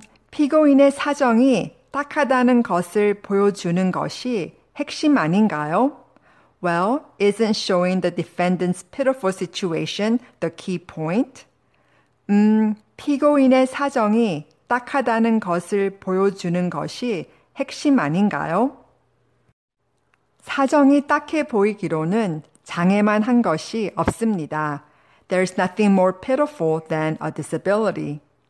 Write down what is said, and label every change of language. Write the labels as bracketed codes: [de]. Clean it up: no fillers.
[ko] 피고인의 사정이 딱하다는 것을 보여주는 것이 핵심 아닌가요? [en] Well, isn't showing the defendant's pitiful situation the key point? [ko] 피고인의 사정이 딱하다는 것을 보여주는 것이 핵심 아닌가요? 사정이 딱해 보이기로는 장애만 한 것이 없습니다. [en] There's nothing more pitiful than a disability.